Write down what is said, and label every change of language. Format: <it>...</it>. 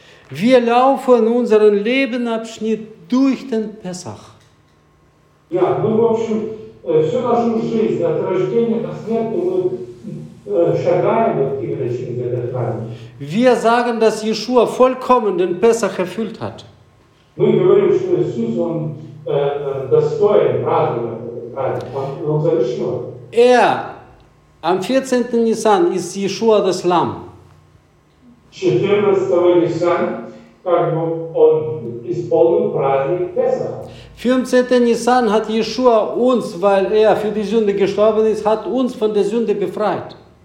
<de>Wir laufen unseren Lebensabschnitt durch den Pessach. Ja, wir,</de> <ru>общем, всю нашу жизнь от рождения до смерти мы шагаем вот именно через этот праздник.</ru> <de>Wir sagen, dass Jeschua vollkommen den Pessach erfüllt hat.</de> <ru>Мы говорим, что Иисус он достоин праздновать этот праздник. Он завершил.</ru> <de>Am 14. Nisan ist Jeschua das Lamm. 14. Nisan Am 15. Nisan hat Jeschua uns, weil er für die Sünde gestorben ist, hat uns von der Sünde befreit.</de>